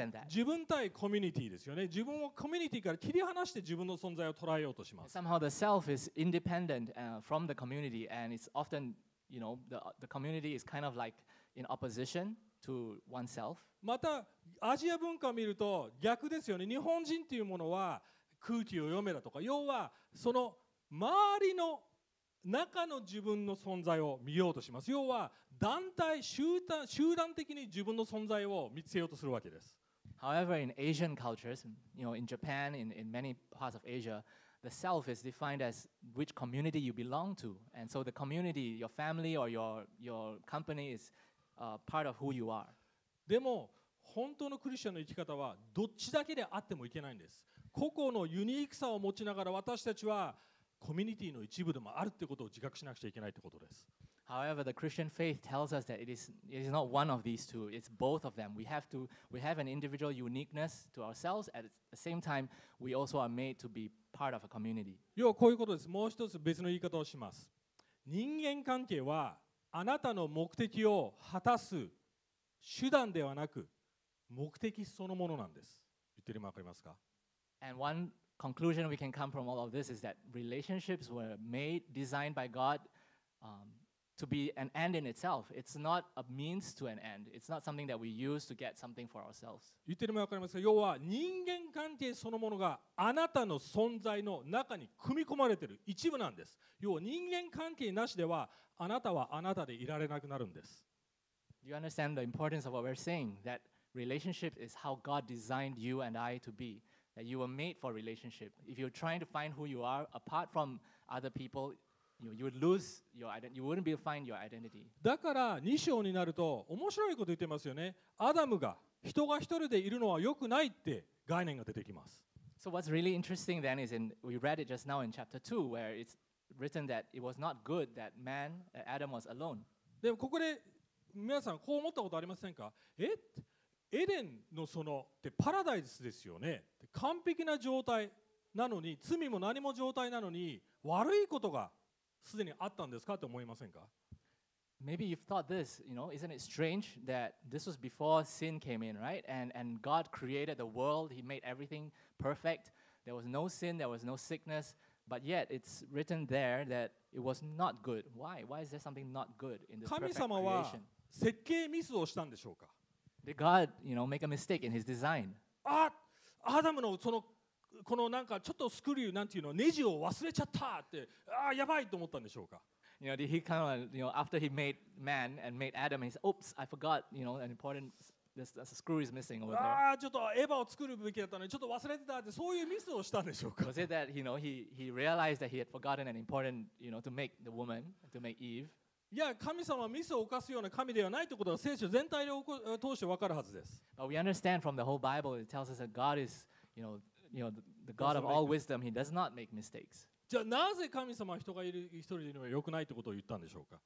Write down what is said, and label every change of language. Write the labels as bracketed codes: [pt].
[ja] 自分対コミュニティですよね。自分をコミュニティから切り離して自分の存在を捉えようとします。 [en] Somehow the self is independent from the community, and it's often, you know, the community is kind of like in opposition to oneself. [ja] またアジア文化を見ると逆ですよね。日本人というものは空気を読めだとか、要はその周りの中の自分の存在を見ようとします。要は団体集団的に自分の存在を見つけようとするわけです。 [en] However, in Asian cultures, you know, in Japan, in many parts of Asia, the self is defined as which community you belong to, and so the community, your family or your company is part of who you are. [ja] でも本当のクリスチャンの生き方はどっちだけであってもいけないんです。個々のユニークさを持ちながら私たちはコミュニティの一部でもあるってことを自覚しなくちゃいけないってことです。 [en] However, the Christian faith tells us that it is not one of these two, it's both of them. We have an individual uniqueness to ourselves, at the same time, we also are made to be part of a community. [ja] 要はこういうことです。もう一つ別の言い方をします。人間関係はあなたの目的を果たす手段ではなく目的そのものなんです。言ってるのわかりますか？ [en] And one conclusion we can come from all of this is that relationships were made, designed by God, to be an end in itself. It's not a means to an end. It's not something that we use to get something for ourselves. [ja] 言ってるのわかりますか？要は人間関係そのものがあなたの存在の中に組み込まれてる一部なんです。要は人間関係なしではあなたはあなたでいられなくなるんです。 [en] Do you understand the importance of what we're saying? That relationship is how God designed you and I to be. That you were made for relationship. If you're trying to find who you are apart from other people, you would lose your identity. You wouldn't be able to find your identity. [ja] だから2章になると面白いこと言ってますよね。アダムが人が一人でいるのは良くないって概念が出てきます。 [en] So what's really interesting then is we read it just now in chapter 2 where it's written that it was not good that man, Adam was alone. [ja] でもここで皆さんこう思ったことありませんか？エデンのそのってパラダイスですよね。完璧な状態なのに、罪も何も状態なのに、悪いことがすでにあったんですかって思いませんか？ [en] Maybe you've thought this, you know, isn't it strange that this was before sin came in, right? And God created the world, he made everything perfect. There was no sin, there was no sickness. But yet it's written there that it was not good. Why is there something not good in this perfect creation? [ja] 神様は設計ミスをしたんでしょうか？ [en] Did God, you know, make a mistake in his design? [ja] アダムのそのこのなんかちょっとスクリューなんていうのネジを忘れちゃったってああやばいと思ったんでしょうか。 [en] You know, did he kind of, you know, after he made man and made Adam, he said, "Oops, I forgot, you know, an important this screw is missing over there." [ja] ああちょっとエヴァを作るべきだったのにちょっと忘れてたってそういうミスをしたんでしょうか。 [en] Was it that, you know, he realized that he had forgotten an important, you know, to make the woman, to make Eve? [ja] いや神様はミスを犯すような神ではないということは聖書全体で通して分かるはずです。 [en] But we understand from the whole Bible, it tells us that God is, you know, the God of all wisdom. He does not make mistakes. [ja] じゃあなぜ神様は人がいる一人でいるのは良くないということを言ったんでしょうか。